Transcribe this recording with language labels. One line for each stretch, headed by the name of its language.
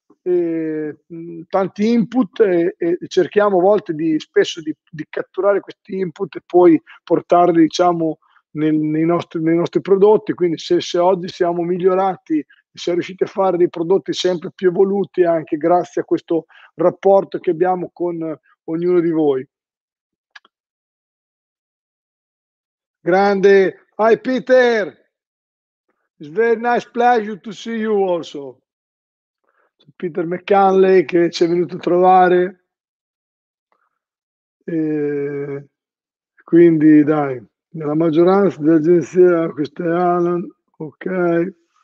Italian: tanti input e cerchiamo a volte spesso di catturare questi input e poi portarli, diciamo, nei nostri prodotti. Quindi se oggi siamo migliorati, siamo riusciti a fare dei prodotti sempre più evoluti anche grazie a questo rapporto che abbiamo con ognuno di voi. Grande.
English: Hi Peter, it's very nice pleasure to see you also.
Italian: Peter McCanley che ci è venuto a trovare. E quindi dai, nella maggioranza dell'agenzia, questo è Alan, ok.